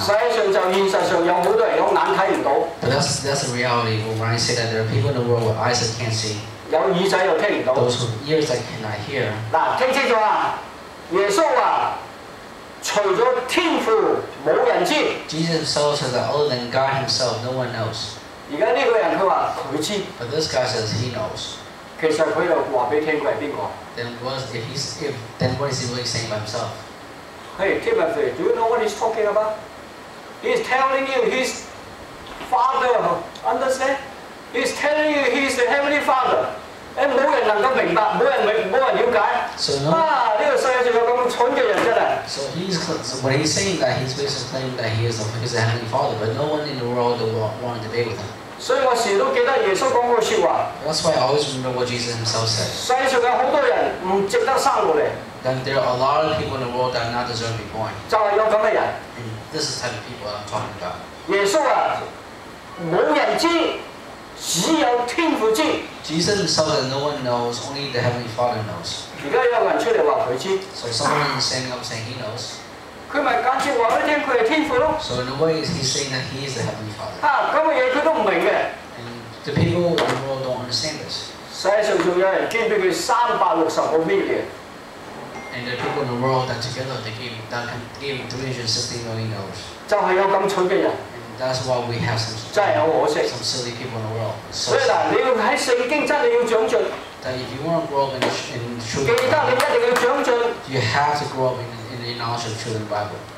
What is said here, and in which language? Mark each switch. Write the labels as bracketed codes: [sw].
[yue] 世上就现实上有好多人用眼睇唔到。 [en] But that's the reality. When I say that there are people in the world with eyes that can't see. [yue] 有耳仔又听唔到。 [en] Those with ears that cannot hear. [yue] 嗱，听清楚啊，耶稣话。除了天父，冇人知。 [en] Jesus himself says that other than God himself, no one knows. [yue] 而家呢個人佢話佢知。 [en] But this guy says he knows. [yue] 其實佢又話俾聽佢係邊個 [en] ？Then what is he really saying by himself? Hey, Timothy, do you know what he's talking about? He's telling you his father. Understand? He's telling you he's the heavenly father. [yue] 誒冇人能夠明白，冇人瞭解。 [en] So, [yue] 呢個世界上有咁蠢嘅人真係。 [en] So when he's saying that, he's basically claiming that he is the heavenly father, but no one in the world will want to debate with him. [yue] 所以我時都記得耶穌講嗰個説話。 [en] That's why I always remember what Jesus himself said. [yue] 世上有好多人唔值得生落嚟。 [en] Then there are a lot of people in the world that are not deserving to be born. [yue] 就係有咁嘅人。 [en] This is the type of people I'm talking about. [yue] 耶穌啊，冇人知。只有天父知。 [en] Jesus himself that no one knows, only the Heavenly Father knows. [yue] 而家有人出嚟話佢知。 [en] So someone is standing up saying he knows. [yue] 佢咪間接話俾聽佢係天父咯。 [en] So in a way, he's saying that he is the Heavenly Father. [yue] 嚇，咁嘅嘢佢都唔明嘅。 [en] And the people in the world don't understand this. [yue] 世界上仲有人捐俾佢360 million. [en] And the people in the world that together they gave $360 million. [yue] 就係有咁蠢嘅人。 [en] That's why we have some silly people in the world. So sad. [yue] 所以嗱，你要喺聖經真係要長進。但係 [en] if you want to grow up in truth, [yue] 記得你一定要長進。 [en] You have to grow up in the knowledge of truth in the Bible.